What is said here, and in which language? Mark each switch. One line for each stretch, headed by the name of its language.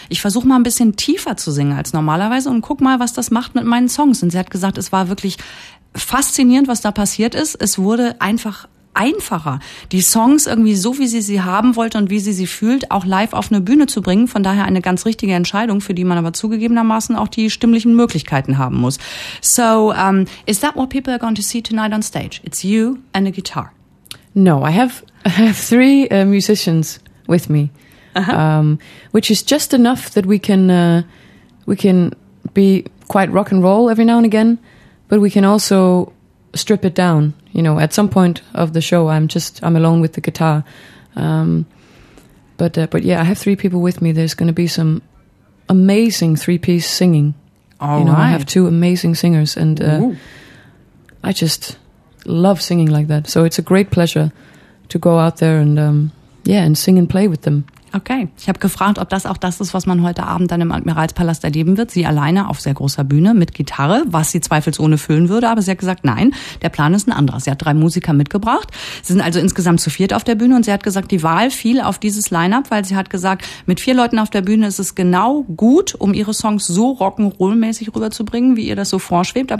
German: Ich versuche mal ein bisschen tiefer zu singen als normalerweise und guck mal, was das macht mit meinen Songs. Und sie hat gesagt, es war wirklich faszinierend, was da passiert ist. Es wurde einfach einfacher, die Songs irgendwie so, wie sie sie haben wollte und wie sie sie fühlt, auch live auf eine Bühne zu bringen. Von daher eine ganz richtige Entscheidung, für die man aber zugegebenermaßen auch die stimmlichen Möglichkeiten haben muss.
English: So, is that what people are going to see tonight on stage? It's you and a guitar. No, I have three musicians with me, which is just enough that we can be quite rock and roll every now and again, but we can also strip it down. You know, at some point of the show, I'm alone with the guitar. But yeah, I have three people with me. There's going to be some amazing three-piece singing. All right. I have two amazing singers, and I just love singing like that. So it's a great pleasure to go out there and sing and play with them.
German: Okay, ich habe gefragt, ob das auch das ist, was man heute Abend dann im Admiralspalast erleben wird. Sie alleine auf sehr großer Bühne mit Gitarre, was sie zweifelsohne füllen würde. Aber sie hat gesagt, nein, der Plan ist ein anderer. Sie hat drei Musiker mitgebracht. Sie sind also insgesamt zu viert auf der Bühne. Und sie hat gesagt, die Wahl fiel auf dieses Line-Up, weil sie hat gesagt, mit vier Leuten auf der Bühne ist es genau gut, um ihre Songs so rock'n'roll-mäßig rüberzubringen, wie ihr das so vorschwebt.